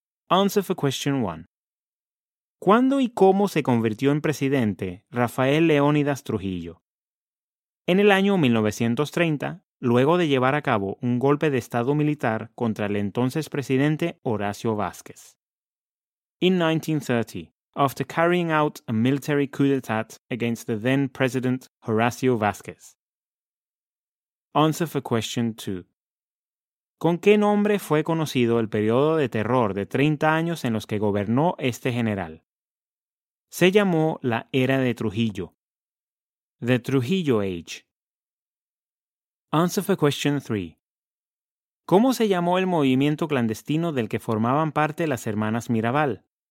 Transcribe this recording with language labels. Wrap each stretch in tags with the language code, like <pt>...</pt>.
<en>Answer for question 1.</en> <es>¿Cuándo y cómo se convirtió en presidente Rafael Leónidas Trujillo? En el año 1930, luego de llevar a cabo un golpe de estado militar contra el entonces presidente Horacio Vázquez.</es> <en>In 1930, after carrying out a military coup d'etat against the then president Horacio Vázquez. Answer for question 2.</en> <es>¿Con qué nombre fue conocido el periodo de terror de 30 años en los que gobernó este general? Se llamó la Era de Trujillo.</es> <en>The Trujillo Age. Answer for question 3.</en> <es>¿Cómo se llamó el movimiento clandestino del que formaban parte las hermanas Mirabal?</es>